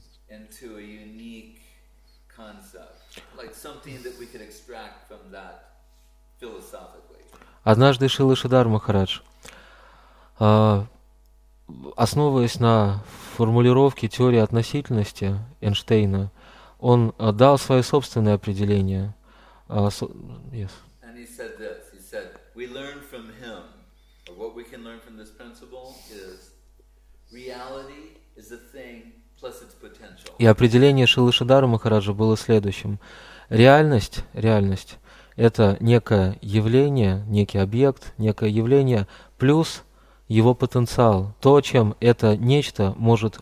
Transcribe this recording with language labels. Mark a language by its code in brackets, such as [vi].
[en] Into a unique concept, like something that we could extract from that philosophically. [ru] Однажды Шрила Шридхара Махарадж, основываясь на формулировке теории относительности Эйнштейна, он дал свое собственное определение. [en] And he said this. He said, "We learn from him. Or what we can learn from this principle is reality is a thing." [ru] И определение Шрилы Шридхара Махараджа было следующим. Реальность – это некое явление, некий объект, некое явление, плюс его потенциал, то, чем это нечто может